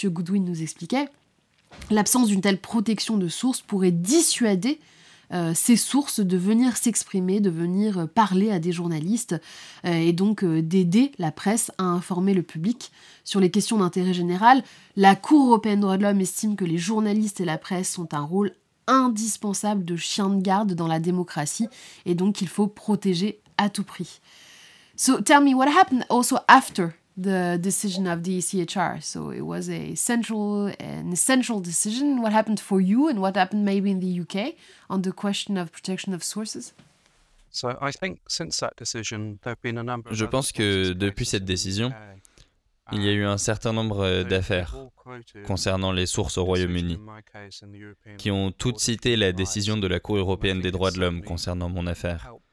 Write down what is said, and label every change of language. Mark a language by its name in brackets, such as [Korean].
[French] Goodwin nous expliquait, l'absence d'une telle protection de sources pourrait dissuader ces sources de venir s'exprimer, de venir parler à des journalistes, et donc d'aider la presse à informer le public sur les questions d'intérêt général. La Cour européenne des droits de l'homme estime que les journalistes et la presse ont un rôle indispensable de chien de garde dans la démocratie, et donc il faut protéger à tout prix. [English] So tell me, what happened also after the decision of the ECHR? So it was a central and essential decision. What happened for you and what happened maybe in the UK on the question of protection of sources? So I think since that decision, there have been a number of... [French] Je pense que depuis cette décision, il y a eu un certain nombre d'affaires concernant les sources au Royaume-Uni qui ont toutes cité la décision de la Cour européenne des droits de l'homme concernant mon affaire.